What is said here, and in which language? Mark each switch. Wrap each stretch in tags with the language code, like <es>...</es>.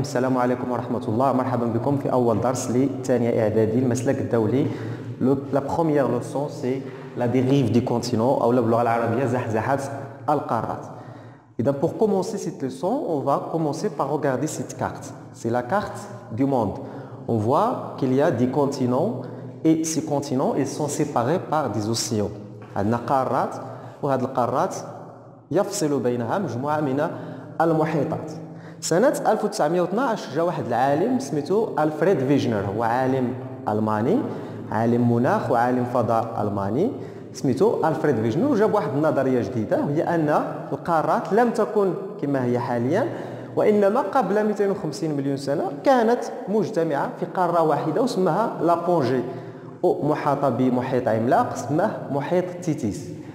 <ar>السلام عليكم ورحمة الله. مرحبا بكم في أول درس لثانية إعدادي المسلك الدولي.</ar> <fr>La première leçon c'est la dérive du continent</fr> <ar>أو باللغة العربية زحزحات القارات.</ar> <fr>Et donc pour commencer cette leçon, on va commencer par regarder cette carte. C'est la carte du monde. On voit qu'il y a des continents et ces continents ils sont séparés par des océans.</fr> <ar>هاد القارات وهاد القارات يفصل بينها مجموعة من المحيطات. سنة 1912 جاء واحد العالم سميتو ألفريد فيجنر، هو عالم ألماني، عالم مناخ وعالم فضاء ألماني سميتو ألفريد فيجنر، وجاب واحد النظرية جديدة وهي أن القارات لم تكن كما هي حاليا، وإنما قبل 250 مليون سنة كانت مجتمعة في قارة واحدة وسمها لابونجي، ومحاطة بمحيط عملاق سماه محيط تيتيس.</ar>